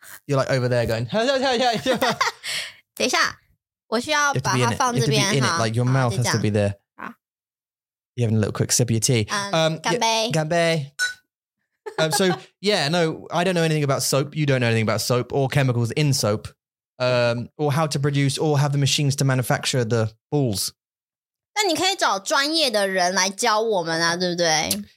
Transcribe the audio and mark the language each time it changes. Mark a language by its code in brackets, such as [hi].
[en] You're like over there going, hey, hey, hey, hey. [zh] 等一下,我需要把它放这边。 [en] Like your mouth has to be there. You're having a little quick sip of your tea. [zh] 干杯。 [en] So, I don't know anything about soap. You don't know anything about soap or chemicals in soap or how to produce or have the machines to manufacture the balls. [zh] 那你可以找专业的人来教我们啊，对不对？